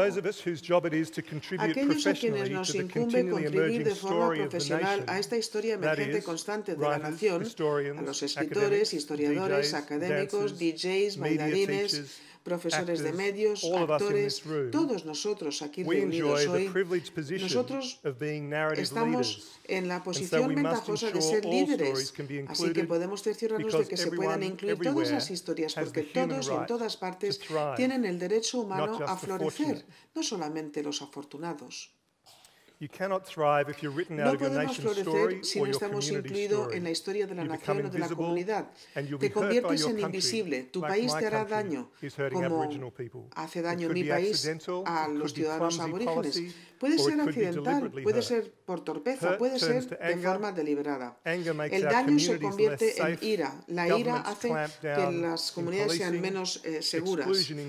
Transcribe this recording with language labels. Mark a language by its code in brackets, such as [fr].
[es] Aquellos a quienes nos incumbe contribuir de forma profesional a esta historia emergente constante de la nación, a los escritores, historiadores, académicos, DJs, bailarines, profesores de medios, actores, todos nosotros aquí reunidos hoy, nosotros estamos en la posición ventajosa de ser líderes, así que podemos cerciorarnos de que se puedan incluir todas las historias, porque todos en todas partes tienen el derecho humano a florecer, no solamente los afortunados. [en] You cannot thrive if you're written out of your nation's story or your community's story. You become invisible and you'll be hurt by your country, like my country is hurting Aboriginal people. [es] Te conviertes en invisible. Tu país te hará daño, como hace daño mi país a los ciudadanos aborígenes. Puede ser accidental, puede ser por torpeza, puede ser de forma deliberada. El daño se convierte en ira. La ira hace que las comunidades sean menos seguras.